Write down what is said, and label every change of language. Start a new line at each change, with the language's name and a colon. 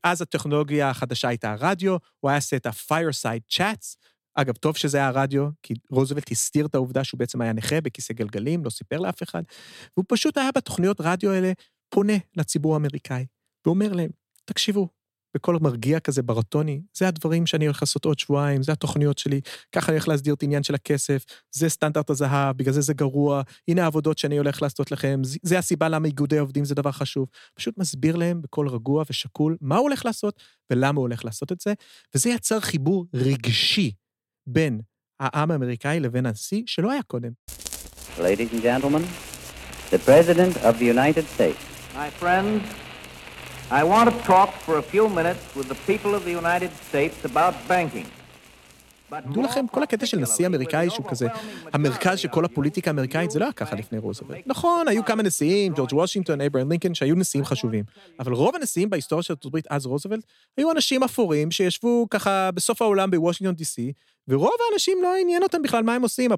Hebrew: אז הטכנולוגיה החדשה הייתה הרדיו, הוא היה עושה את ה-fireside chats, אגב, טוב שזה היה הרדיו, כי רוזוולט הסתיר את העובדה שהוא בעצם היה נכה בכיסא גלגלים, לא סיפר לאף אחד, והוא פשוט היה בתוכניות רדיו האלה, פונה לציבור האמריקאי, ואומר להם, תקשיבו, בכל מרגיע כזה ברטוני, זה הדברים שאני הולך לעשות עוד שבועיים, זה התוכניות שלי, ככה אני הולך להסדיר את עניין של הכסף, זה סטנדרט הזהב, בגלל זה זה גרוע, הנה העבודות שאני הולך לעשות לכם, זה הסיבה למה איגודי עובדים זה דבר חשוב. פשוט מסביר להם בכל רגוע ושקול, מה הוא הולך לעשות, ולמה הוא הולך לעשות את זה, וזה יצר חיבור רגשי. בין העם האמריקאי לבין הנשיא שלא היה קודם.
English: Ladies and gentlemen, the President of the United States. My friends, I want to talk for a few minutes with the people of the United States about banking.
Hebrew: תדעו לכם, כל הקטע של נשיא אמריקאי שהוא כזה, המרכז של כל הפוליטיקה האמריקאית, זה לא היה ככה לפני רוזוולט. נכון, היו כמה נשיאים, ג'ורג' וושינגטון, אברהם לינקולן, שהיו נשיאים חשובים. אבל רוב הנשיאים בהיסטוריה של ארצות הברית, אז רוזוולט, היו אנשים אפורים שישבו ככה בסוף העולם בוושינגטון די-סי, ורוב האנשים לא עניין אותם בכלל מה הם עושים.